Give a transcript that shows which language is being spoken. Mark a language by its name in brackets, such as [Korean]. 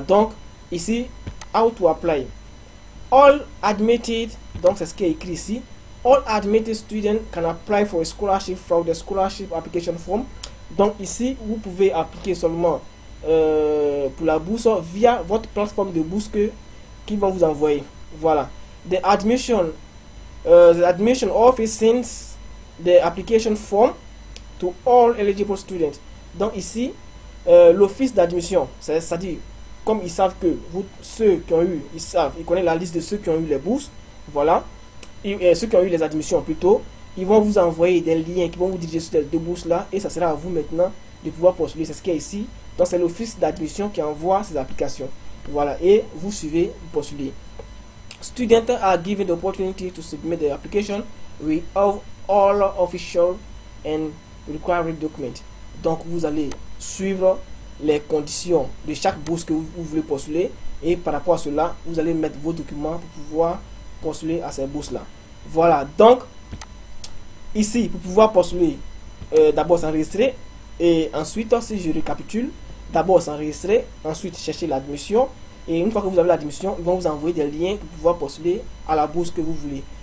[French] Donc, ici, [English] how to apply. All admitted, [French] donc c'est ce qui est écrit ici. [English] All admitted students can apply for a scholarship from the scholarship application form. [French] Donc, ici, vous pouvez appliquer seulement pour la bourse via votre plateforme de bourse qu'ils vont vous envoyer. Voilà. [English] The admission office sends the application form to all eligible students. [French] Donc, ici, l'office d'admission, c'est-à-dire, comme ils savent que vous, ceux qui ont eu, ils savent, ils connaissent la liste de ceux qui ont eu les bourses, voilà. Et ceux qui ont eu les admissions plutôt, ils vont vous envoyer des liens qui vont vous diriger sur ces deux bourses-là et ça sera à vous maintenant de pouvoir postuler. C'est ce qu'il y a ici. Donc, c'est l'office d'admission qui envoie ces applications. Voilà. Et vous suivez, vous postulez. [English] Students are given the opportunity to submit their application with all official and required document. [French] Donc, vous allez suivre les conditions de chaque bourse que vous voulez postuler et par rapport à cela, vous allez mettre vos documents pour pouvoir postuler à ces bourses-là. Voilà, donc ici pour pouvoir postuler, d'abord s'enregistrer et ensuite, si je récapitule, d'abord s'enregistrer, ensuite chercher l'admission et une fois que vous avez l'admission, ils vont vous envoyer des liens pour pouvoir postuler à la bourse que vous voulez.